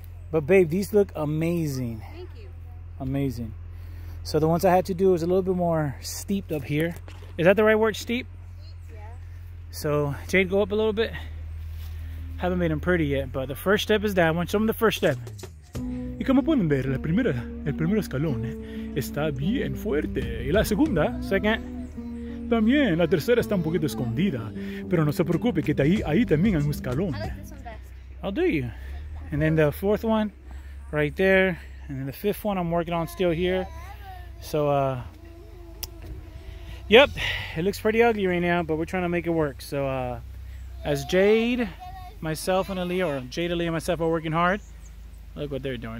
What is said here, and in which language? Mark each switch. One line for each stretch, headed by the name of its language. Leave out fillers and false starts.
English: But babe, these look amazing. Thank you. Amazing. So the ones I had to do was a little bit more steeped up here. Is that the right word, steep? Yeah. So Jade, go up a little bit. Haven't made them pretty yet, but the first step is that one. Show them the first step.
Spanish: Y como pueden ver, el primer escalón está bien fuerte. Y la segunda, second. También, la tercera está un poquito escondida. Pero no se preocupe, que ahí también hay un escalón.
English: I like this one best. I'll do you. And then the fourth one, right there. And then the fifth one I'm working on still here. So, yep, it looks pretty ugly right now, but we're trying to make it work. So, as Jade, myself, and Ali, or Jade, Ali, and myself are working hard, look what they're doing.